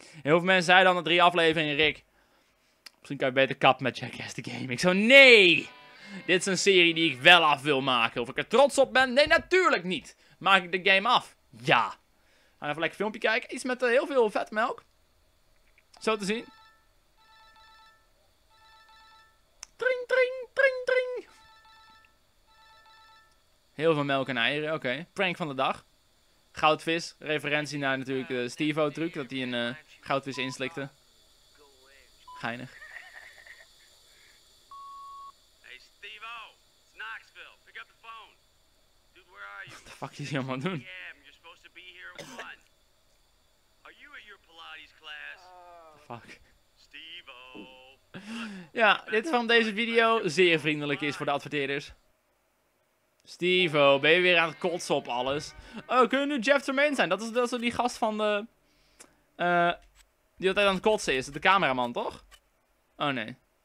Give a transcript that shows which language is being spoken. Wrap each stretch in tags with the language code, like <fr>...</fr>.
<nl>Heel veel mensen zeiden dan de 3 afleveringen, Rick. Misschien kan je beter kappen met Jackass the Game. Ik zo, nee. Dit is een serie die ik wel af wil maken. Of ik er trots op ben? Nee, natuurlijk niet. Maak ik de game af? Ja. Gaan even een lekker filmpje kijken. Iets met heel veel vet melk. Zo te zien. Tring, tring, tring, tring. Heel veel melk en eieren, oké. Prank van de dag. Goudvis, referentie naar natuurlijk de Steve-O-truc, dat hij een goudvis inslikte. Geinig.</nl> <en>Hey Steve-O, it's Knoxville, pick up the phone. Dude, where are you? What the fuck</en> <nl>is hij allemaal doen?</nl> <en>You're supposed to be here at 1. Are you at your Pilates class? The fuck? Steve-O.</en> <nl>Ja, dit van deze video zeer vriendelijk is voor de adverteerders. Steve-o, ben je weer aan het kotsen op alles? Oh, kunnen nu Jeff Tremaine zijn? Dat is die gast van de... die altijd aan het kotsen is. De cameraman, toch? Oh, nee.</nl>